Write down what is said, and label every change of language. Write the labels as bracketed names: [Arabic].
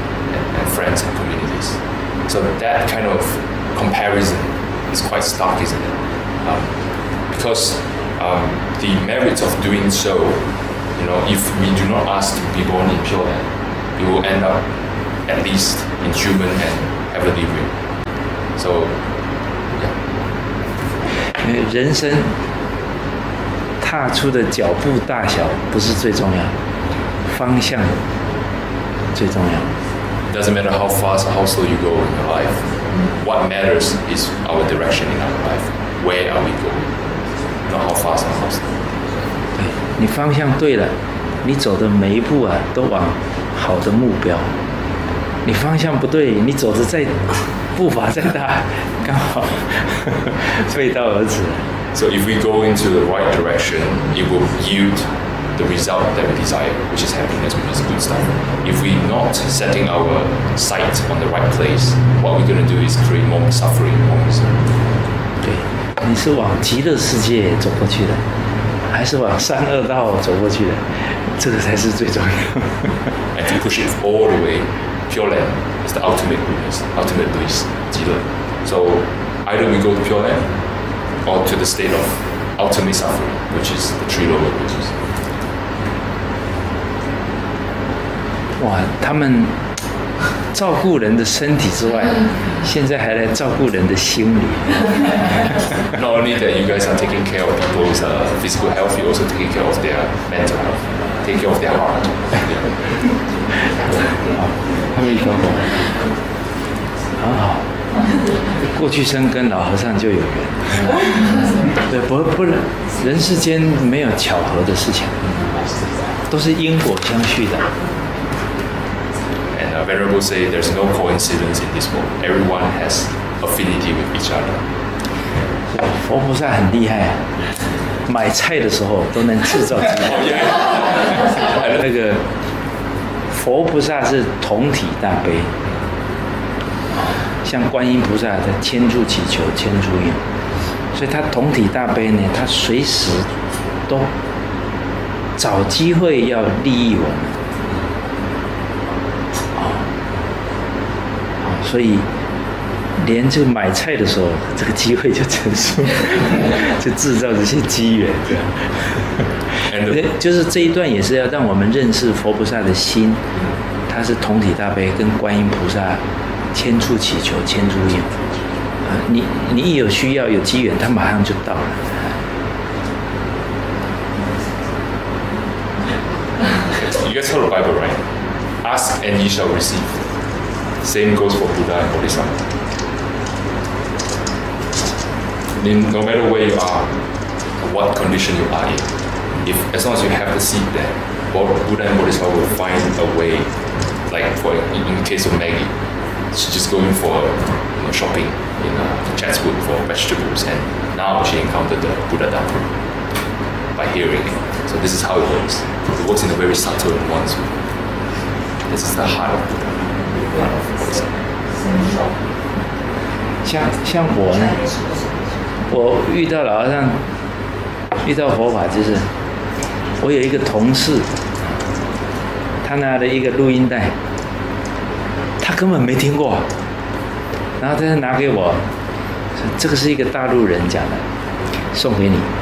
[English] And friends and communities. So that kind of comparison is quite stark, isn't it? Because the merits of doing so, you know, if we do not ask to be born in Pure Land, we will end up at least in human and heavenly realm. So, yeah. [Chinese] 人生踏出的脚步大小不是最重要，方向最重要。 [English] Doesn't matter how fast or how slow you go in your life. What matters is our direction in our life. Where are we going? Not how fast or how slow. [Chinese] 对，你方向对了，你走的每一步啊，都往好的目标。你方向不对，你走的再步伐再大，刚好背道而驰。 [English] So if we go into the right direction, it will yield the result that we desire, which is happiness, which is good stuff. If we're not setting our sight on the right place, what we're going to do is create more suffering, more misery. [Chinese] 对，你是往极乐世界走过去的，还是往三恶道走过去的？这个才是最重要。 [English] And to push it all the way, Pure Land is the ultimate goodness, ultimate bliss, 极乐。 So either we go to Pure Land. Or to the state of ultimate suffering, which is the three lower bliss. [Chinese] Wow, 他们照顾人的身体之外，现在还来照顾人的心理。 [English] Not only that you guys are taking care of people's physical health, you're also taking care of their mental health, taking care of their heart. [Chinese] Yeah. 好，他们说很好。过去生跟老和尚就有缘，对，不，人世间没有巧合的事情，都是因果相续的。 [English] And Venerable say there's no coincidence in this world. Everyone has affinity with each other. [Chinese] 佛菩萨很厉害，买菜的时候都能制造机会。那个佛菩萨是同体大悲。像观音菩萨的千住祈求千住愿，所以他同体大悲呢，他随时都找机会要利益我们，所以连这买菜的时候，这个机会就成熟，就制造这些机缘，就是这一段也是要让我们认识佛菩萨的心，他是同体大悲，跟观音菩萨。千处祈求千处应，你一有需要有机缘，他马上就到了。 [English] You guys heard the Bible right? Ask and ye shall receive. Same goes for Buddha and Bodhisattva. No matter where you are, what condition you are in, if as long as you have the seed there, Buddha and Bodhisattva will find a way. Like for in the case of Maggie. She's just going for you know, shopping in Chatswood for vegetables, and now she encountered the Buddha Dhamma by hearing. So this is how it works. It works in a very subtle and nuanced way. This is the heart of Buddha. Heart of Buddha. [Chinese] 像我呢，我遇到老和尚，遇到佛法就是，我有一个同事，他拿了一个录音带。根本没听过，然后他就拿给我，说这个是一个大陆人讲的，送给你。